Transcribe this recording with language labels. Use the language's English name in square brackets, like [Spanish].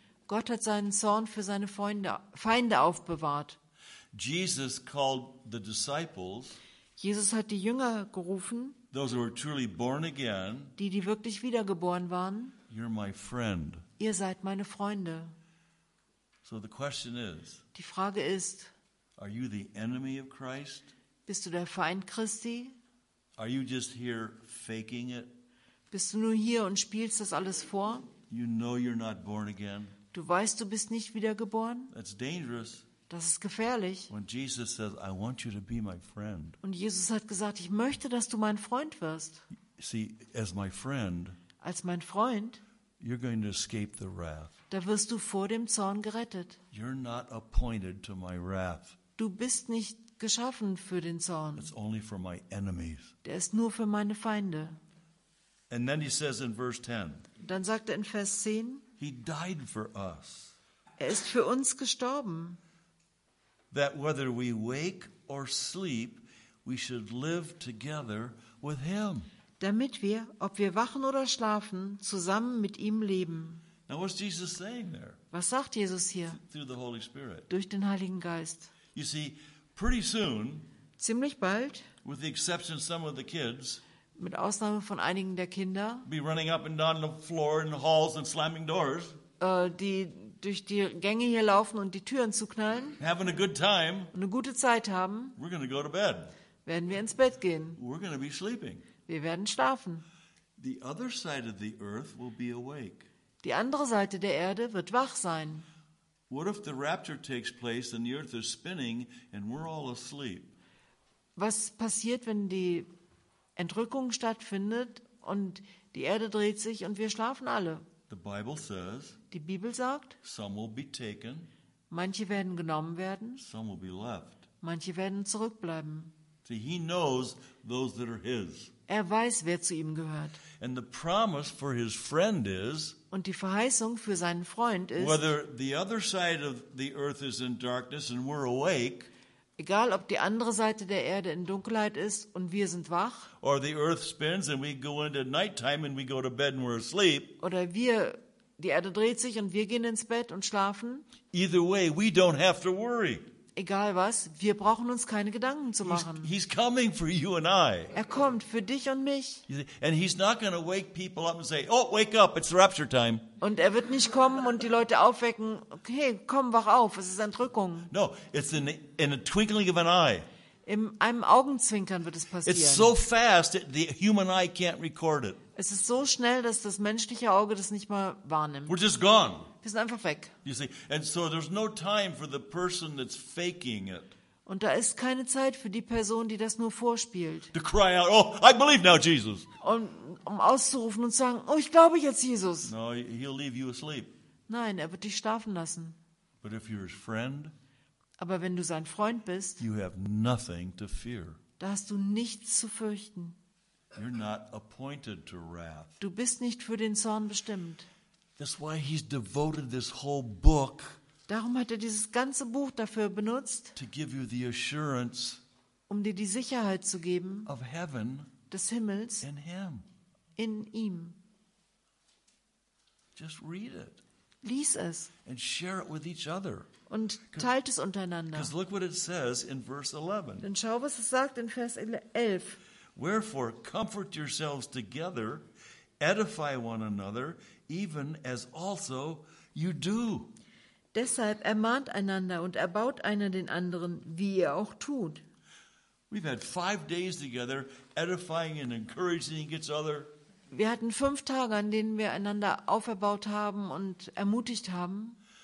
[German] Gott hat seinen Zorn für seine Feinde aufbewahrt. [English] Jesus called the disciples. [German] Jesus hat die Jünger gerufen. [English] Those who were truly born again. [German] Die wirklich wiedergeboren waren. [English] You're my friend. [German] Ihr seid meine Freunde. [English] So the question is. [German] Die Frage ist. [English] Are you the enemy of Christ? [German] Bist du der Feind Christi? [English] Are you just here faking it? [German] Bist du nur hier und spielst das alles vor? [English] You know you're not born again. [German] Du weißt, du bist nicht wiedergeboren. [English] That's dangerous. [German] Das ist gefährlich. [English] When Jesus says, I want you to be my friend. [German] Und Jesus hat gesagt, ich möchte, dass du mein Freund wirst. [English] See, as my friend, [German] als mein Freund, [English] you're going to escape the wrath. [German] Da wirst du vor dem Zorn gerettet. [English] You're not appointed to my wrath. [German] Du bist nicht geschaffen für den Zorn. [English] It's only for my enemies. [German] Der ist nur für meine Feinde. [English] And then he says in verse 10. [German] Dann sagt er in Vers 10. [English] He died for us. [German] Er ist für uns gestorben. [English] That whether we wake or sleep, we should live together with him. [German] Damit wir, ob wir wachen oder schlafen, zusammen mit ihm leben. [English] Now what's Jesus saying there? [German] Was sagt Jesus hier? [English] Through the Holy Spirit. [German] Durch den Heiligen Geist. [English] You see, pretty soon, [German] ziemlich bald, [English] with the exception of some of the kids, [German] mit Ausnahme von einigen der Kinder, [English] be running up and down the floor in the halls and slamming doors, [German] die durch die Gänge hier laufen und die Türen zuknallen, [English] having a good time, [German] eine gute Zeit haben, [English] we're going to go to bed, [German] werden wir ins Bett gehen, [English] we're going to be sleeping, [German] wir werden schlafen. [English] The other side of the earth will be awake. [German] Die andere Seite der Erde wird wach sein. [English] What if the rapture takes place and the earth is spinning and we're all asleep? [German] Was passiert, wenn die Entrückung stattfindet und die Erde dreht sich und wir schlafen alle? [English] The Bible says. [German] Die Bibel sagt. [English] Some will be taken. [German] Manche werden genommen werden. [English] Some will be left. [German] Manche werden zurückbleiben. [English] See, he knows those that are his. [German] Er weiß, wer zu ihm gehört. [English] And the promise for his friend is. [German] Und die Verheißung für seinen Freund ist, [English] whether the other side of the earth is in darkness and we're awake, [German] egal ob die andere Seite der Erde in Dunkelheit ist und wir sind wach, [English] or the earth spins and we go into nighttime and we go to bed and we're asleep, [German] oder wir, die Erde dreht sich und wir gehen ins Bett und schlafen, [English] either way we don't have to worry. [German] Egal was, wir brauchen uns keine Gedanken zu machen. [English] He's coming for you and I. [German] Er kommt für dich und mich. [English] And he's not going to wake people up and say, "Oh, wake up, it's rapture time." [German] Und er wird nicht kommen und die Leute aufwecken. Okay, komm, wach auf, es ist Entrückung. [English] No, it's in a twinkling of an eye. [German] In einem Augenzwinkern wird es passieren. [English] It's so fast that the human eye can't record it. [German] Es ist so schnell, dass das menschliche Auge das nicht mal wahrnimmt. [English] We're just gone. [German] Wir sind einfach weg. [English] You see, and so there's no time for the person that's faking it. [German] Und da ist keine Zeit für die Person, die das nur vorspielt. [English] To cry out, oh, I believe now, Jesus. [German] Und um auszurufen und zu sagen, oh, ich glaube jetzt, Jesus. [English] No, he'll leave you asleep. [German] Nein, er wird dich schlafen lassen. [English] But if you're his friend, [German] aber wenn du sein Freund bist, [English] you have nothing to fear. [German] Da hast du nichts zu fürchten. [English] You're not appointed to wrath. [German] Du bist nicht für den Zorn bestimmt. [English] That's why he's devoted this whole book. [German] Darum hat er dieses ganze Buch dafür benutzt, [English] to give you the assurance, [German] um dir die Sicherheit zu geben, [English] of heaven, [German] des Himmels, [English] in him, [German] in ihm. [English] Just read it. [German] Lies es. [English] And share it with each other. [German] Und teilt es untereinander. [English] Because look what it says in verse 11. [German] Denn schau, was es sagt in Vers 11. [English] Wherefore comfort yourselves together, edify one another, even as also you do. [German] Deshalb ermahnt einander und erbaut einer den anderen, wie ihr auch tut. [English] We've had 5 days together, edifying and encouraging each other. [German] Wir hatten 5 Tage, an denen wir einander auferbaut haben und ermutigt haben.